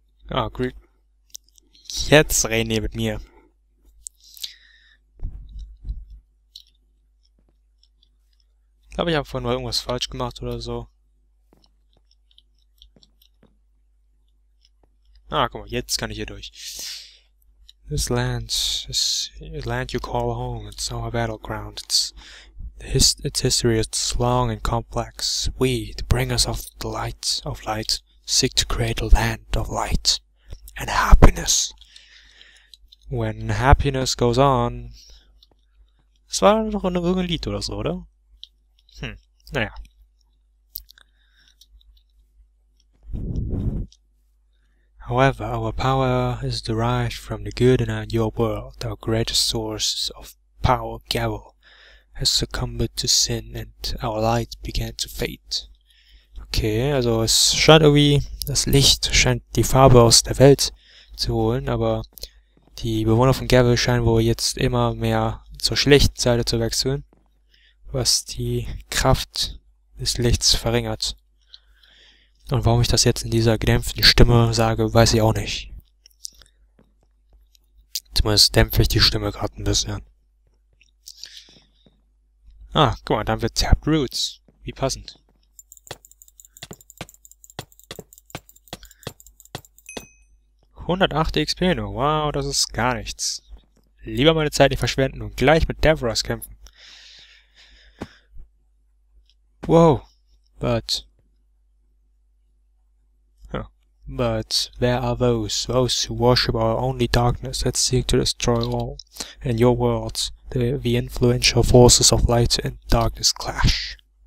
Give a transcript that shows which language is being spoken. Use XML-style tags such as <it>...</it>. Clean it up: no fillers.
<de>Ah, oh, Greek. Jetzt reden die mit mir. Glaube, ich habe vorhin mal irgendwas falsch gemacht oder so. Ah, guck mal, jetzt kann ich hier durch.</de> <en>This land you call home, it's our battleground. Its history is long and complex. We, the bringers of the light, seek to create a land of light and happiness. When happiness goes on.</en> <de>Das war doch irgendein Lied oder so, oder? Naja.</de> <en>However, our power is derived from the good in your world. Our greatest source of power, Gavel, has succumbed to sin and our light began to fade.</en> <de>Okay, also es scheint irgendwie, das Licht scheint die Farbe aus der Welt zu holen, aber die Bewohner von Gavel scheinen wohl jetzt immer mehr zur schlechten Seite zu wechseln, was die Kraft des Lichts verringert. Und warum ich das jetzt in dieser gedämpften Stimme sage, weiß ich auch nicht. Zumindest dämpfe ich die Stimme gerade ein bisschen. Ah, guck mal, dann wird Tapped Roots. Wie passend. Acht XP nur. Wow, das ist gar nichts. Lieber meine Zeit nicht verschwenden und gleich mit Devros kämpfen.</de> <en>Wow, but there are those who worship our only darkness that seek to destroy all. In your world, the influential forces of light and darkness clash.</en>